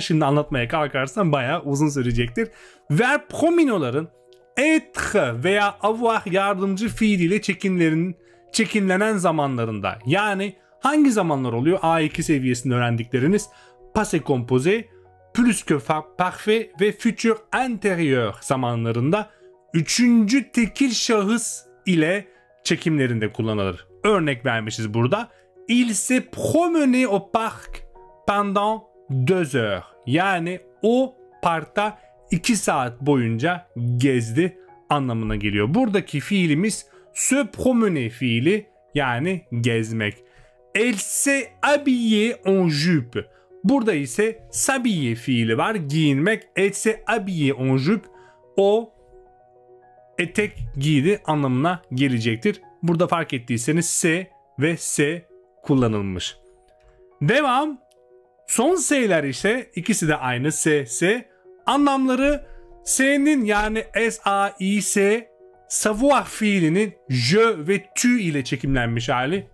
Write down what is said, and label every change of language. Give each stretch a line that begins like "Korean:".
Turkish: Şimdi anlatmaya kalkarsam bayağı uzun sürecektir. Verb prominoların être veya avoir yardımcı fiiliyle çekinlenen zamanlarında, yani hangi zamanlar oluyor A2 seviyesinde öğrendikleriniz? Passé composé, plus que parfait ve futur antérieur zamanlarında üçüncü tekil şahıs ile çekimlerinde kullanılır. Örnek vermişiz burada.
French: Il s'est promené au parc pendant 2 heures.
Turkish: Yani o parkta 2 saat boyunca gezdi anlamına geliyor. Buradaki fiilimiz se promener fiili, yani gezmek.
French: Elle s'est habillée en jupe.
Turkish: Burada ise s'habiller fiili var, giyinmek.
French: Elle s'est habillée en jupe.
Turkish: O etek giydi anlamına gelecektir. Burada fark ettiyseniz S ve S kullanılmış. Devam. Son S'ler ise ikisi de aynı S, S. Anlamları S'nin, yani S-A-I-S, savoir fiilinin je ve tu ile çekimlenmiş hali.